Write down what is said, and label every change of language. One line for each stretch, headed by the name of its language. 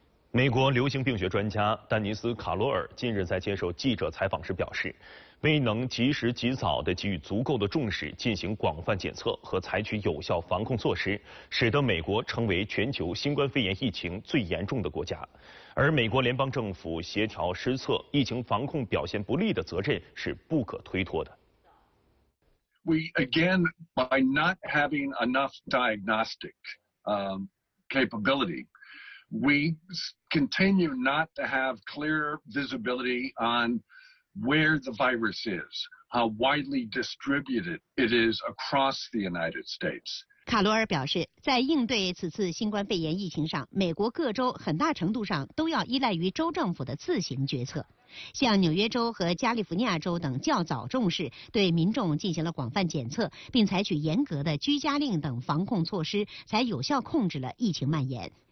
Chinese: 美国流行病学专家丹尼斯·卡罗尔近日在接受记者采访时表示，未能及时及早地给予足够的重视，进行广泛检测和采取有效防控措施，使得美国成为全球新冠肺炎疫情最严重的国家。而美国联邦政府协调失策、疫情防控表现不力的责任是不可推脱的。
English: We again, by not having enough diagnostic capability, we continue not to have clear visibility on where the virus is, how widely distributed it is across the United States.
Chinese: 卡罗尔表示，在应对此次新冠肺炎疫情上，美国各州很大程度上都要依赖于州政府的自行决策。像纽约州和加利福尼亚州等较早重视，对民众进行了广泛检测，并采取严格的居家令等防控措施，才有效控制了疫情蔓延。